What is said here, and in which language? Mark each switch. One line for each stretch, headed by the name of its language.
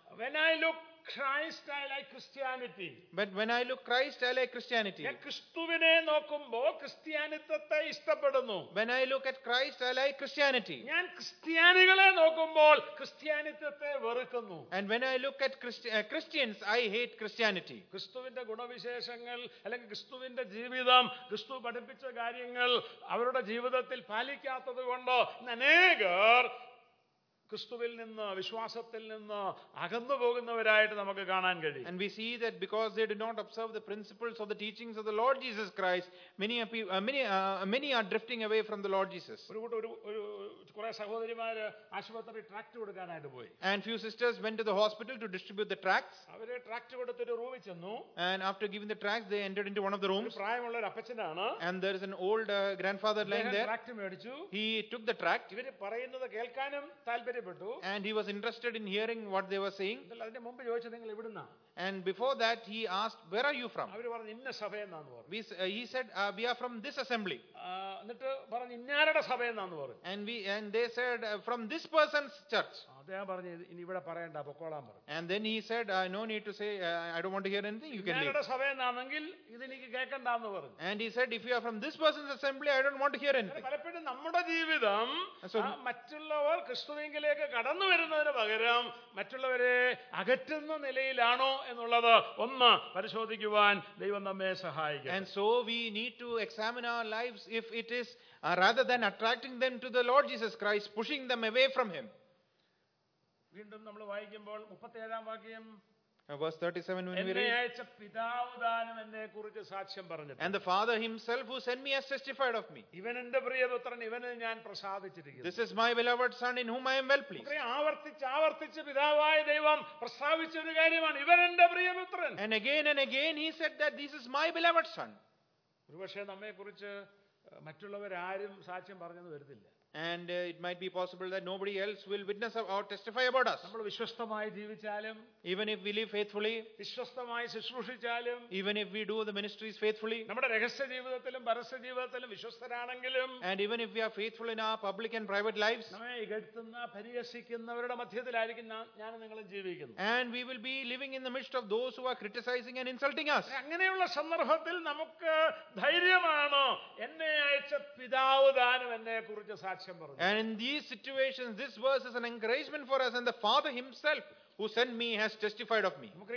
English: when I look Christ, I like Christianity. But when I look Christ, I like Christianity.
Malayalam: ഞാൻ ക്രിസ്തുവിനെ നോക്കുമ്പോൾ ക്രിസ്ത്യാനിത്വത്തെ ഇഷ്ടപ്പെടുന്നു.
English: When I look at Christ, I like Christianity.
Malayalam: ഞാൻ ക്രിസ്ത്യാനികളെ നോക്കുമ്പോൾ ക്രിസ്ത്യാനിത്വത്തെ വെറുക്കുന്നു.
English: And when I look at Christians, I hate Christianity.
Malayalam: ക്രിസ്തുവിന്റെ ഗുണവിശേഷങ്ങൾ അല്ലെങ്കിൽ ക്രിസ്തുവിന്റെ ജീവിതം, ക്രിസ്തു പഠിപ്പിച്ച കാര്യങ്ങൾ അവരുടെ ജീവിതത്തിൽ പാലിക്കാത്തത് കൊണ്ട് അനേകർ ക്രിസ്തുവിൽ നിന്ന്, വിശ്വാസത്തിൽ നിന്ന് അകന്നു പോകുന്നവരായിട്ട് നമുക്ക് കാണാൻ കഴിയും.
English: And we see that because they did not observe the principles or the teachings of the Lord Jesus Christ, many are drifting away from the Lord Jesus.
Malayalam: കുറേ സഹോദരിമാര് ആശുപത്രി ട്രാക്ട് കൊടുക്കാനായിട്ട് പോയി.
English: And few sisters went to the hospital to distribute the tracts.
Malayalam: അവര് tract കൊടുത്തിട്ട് റൂമിൽ ചെന്നു.
English: And after giving the tracts, they entered into one of the rooms.
Malayalam: പ്രായമുള്ള ഒരു അപ്പച്ചനാണ്.
English: And there is an old grandfather lying there.
Malayalam: Tract മേടിച്ചു.
English: He took the tract.
Malayalam: ഇവര് പറയുന്നത് കേൾക്കാനും താല്പര്യം.
English: And he was interested in hearing what they were saying.
Malayalam: അതിനു മുമ്പ് ചോദിച്ചത് നിങ്ങൾ എവിടുന്നാ.
English: And before that he asked, where are you from?
Malayalam: അവര് പറഞ്ഞു ഇന്ന സഭ എന്നാണ് പറഞ്ഞു.
English: He said, we are from this assembly.
Malayalam: എന്നിട്ട് പറഞ്ഞു ഇന്നാരുടെ സഭ എന്നാണ് പറഞ്ഞു.
English: And they said, from this person's church.
Malayalam: അദ്ദേഹം പറഞ്ഞു ഇനി ഇവിടെ പറയണ്ട, പൊക്കോളാൻ പറഞ്ഞു.
English: And then he said, no need to say, I don't want to hear anything, you can leave.
Malayalam: ഇന്നാരുടെ സഭ എന്നാണെങ്കിൽ ഇത് എനിക്ക് കേൾക്കണ്ട എന്ന് പറഞ്ഞു.
English: And he said, if you are from this person's assembly, I don't want to hear anything.
Malayalam: പലപ്പോഴും നമ്മുടെ ജീവിതം മറ്റുള്ളവർ ക്രിസ്തുവിങ്കിലേക്ക് കടന്നു വരുന്നതിന് പകരം മറ്റുള്ളവരെ അകറ്റുന്ന നിലയിലാണോ എന്നുള്ളത് ഒന്ന് പരിശോധിക്കുവാൻ ദൈവം നമ്മെ സഹായിക്കും.
English: And so we need to examine our lives if it is rather than attracting them to the Lord Jesus Christ, pushing them away from him.
Malayalam: വീണ്ടും നമ്മൾ വായിക്കുമ്പോൾ 37-ാം വാക്യം.
English: Verse 37, when we read,
Malayalam: അയച്ച പിതാവുദാനം എന്നെ കുറിച്ച് സാക്ഷ്യം പറഞ്ഞു.
English: And the Father himself who sent me has testified of me.
Malayalam: ഇവൻ എന്റെ പ്രിയപുത്രൻ, ഇവനിൽ ഞാൻ പ്രസാദിച്ചിരിക്കുന്നു.
English: This is my beloved son in whom I am well pleased.
Malayalam: ആവർത്തിച്ച് പിതാവായ ദൈവം പ്രസ്താവിച്ച ഒരു കാര്യമാണ് ഇവൻ എന്റെ പ്രിയപുത്രൻ.
English: And again he said that this is my beloved son.
Malayalam: ഒരുപക്ഷേ നമ്മെ കുറിച്ച് മറ്റുള്ളവരാരും സാക്ഷ്യം പറഞ്ഞെന്ന് വരുന്നില്ല.
English: And it might be possible that nobody else will witness or testify about us.
Malayalam: നമ്മൾ വിശ്വസ്തമായി ജീവിച്ചാലും,
English: even if we live faithfully,
Malayalam: വിശ്വസ്തമായി ശുശ്രൂഷിച്ചാലും,
English: even if we do the ministries faithfully,
Malayalam: നമ്മുടെ രഹസ്യ ജീവിതത്തിലും പരസ്യ ജീവിതത്തിലും വിശ്വസ്തരാണെങ്കിലും,
English: and even if we are faithful in our public and private lives,
Malayalam: നമ്മെ ഇകഴ്ത്തുന്ന പരിഹസിക്കുന്നവരുടെ മധ്യത്തിലായിരിക്കും ഞാനും നിങ്ങളും ജീവിക്കുന്നത്.
English: And we will be living in the midst of those who are criticizing and insulting us.
Malayalam: അങ്ങനെയുള്ള സന്ദർഭത്തിൽ നമുക്ക് ധൈര്യമാണോ എന്നെ അയച്ച പിതാവ് ദാനം എന്നെ കുറിച്ച്.
English: And in these situations, this verse is an encouragement for us, and the Father himself who sent me has testified of me.